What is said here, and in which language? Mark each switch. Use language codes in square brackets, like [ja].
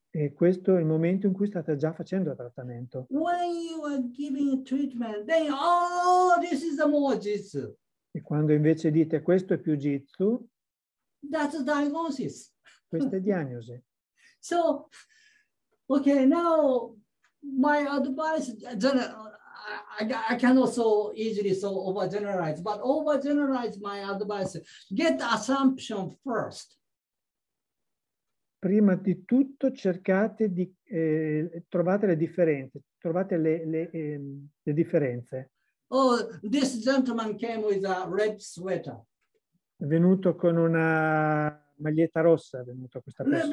[it] E questo è il momento in cui state già facendo il trattamento. [en] When you are giving treatment, then oh, this is a more jitsu. [it] E quando invece dite questo è più jitsu? [en] That's a diagnosis. [it] Questa è diagnosi. [en] So... Okay, now my advice, I can also easily so overgeneralize, but overgeneralize my advice, get the assumption first. [it] Prima di tutto cercate di, trovate le differenze, trovate le differenze. [en] Oh, this gentleman came with a red sweater. [it] È venuto con una maglietta rossa, è venuto questa persona.